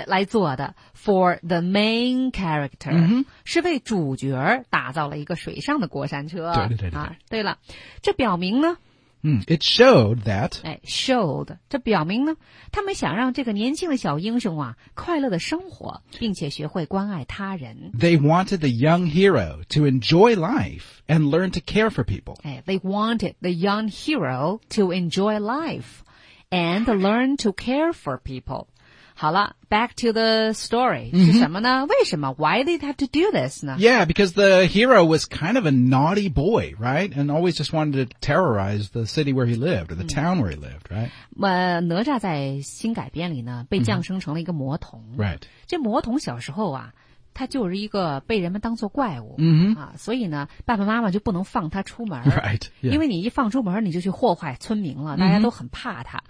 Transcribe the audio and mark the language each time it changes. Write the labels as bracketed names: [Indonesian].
[Chinese] 来做的 [English] For the main character、 mm-hmm. [Chinese] 是为主角打造了一个水上的过山车对对对 对, 对、啊、对了这表明呢 [English] It showed that. [Chinese] 哎 ，showed 这表明呢，他们想让这个年轻的小英雄啊，快乐的生活，并且学会关爱他人。 [English] They wanted the young hero to enjoy life and learn to care for people. 哎 ，they wanted the young hero to enjoy life and learn to care for people. [Chinese] 好了 ， [English] back to the story、 mm-hmm. [Chinese] 是什么呢？为什么 [English] ？Why did they have to do this 呢？Yeah, because the hero was kind of a naughty boy, right? And always just wanted to terrorize the city where he lived or the town where he lived, right? [Chinese] 哪吒在新改编里呢，被降生成了一个魔童。 [English] Mm-hmm. Right. [Chinese] 这魔童小时候啊，他就是一个被人们当作怪物、 mm-hmm. 啊，所以呢，爸爸妈妈就不能放他出门 [English] ，right？、Yeah. [Chinese] 因为你一放出门，你就去祸害村民了，大家都很怕他。